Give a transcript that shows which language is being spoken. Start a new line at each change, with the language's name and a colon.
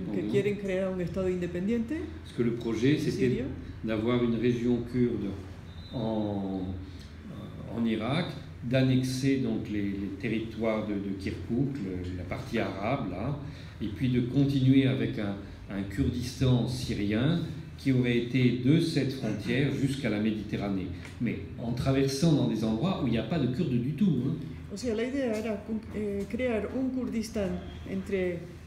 Spanish: quieren crear un estado independiente.
French: Parce que le projet c'était Syria. D'avoir une région kurde en Irak, d'annexer donc les territoires de Kirkuk, la partie arabe là, et puis de continuer avec un Kurdistan syrien qui aurait été de cette frontière jusqu'à la Méditerranée, mais en traversant dans des endroits où il n'y a pas de Kurdes du tout. Hein.
Spanish: O sea, la idea era crear un Kurdistán entre